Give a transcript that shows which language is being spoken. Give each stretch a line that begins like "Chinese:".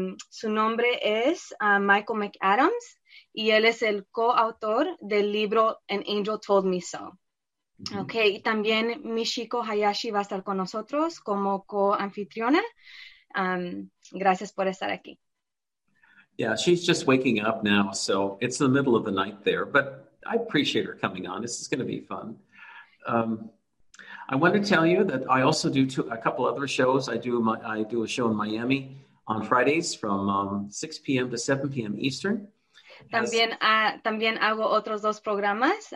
Spanish: Su nombre es Michael McAdams, y él es el coautor del libro An Angel Told Me So. Mm-hmm. Okay, y también Michiko Hayashi va a estar con nosotros como co-anfitriona. Gracias por estar aquí.
English: Yeah, she's just waking up now, so it's the middle of the night there, but I appreciate her coming on. This is going to be fun. I want to tell you that I also do a couple other shows. I do a show in Miami on Fridays from 6 p.m. to 7 p.m. Eastern.
Spanish: También hago otros dos programas.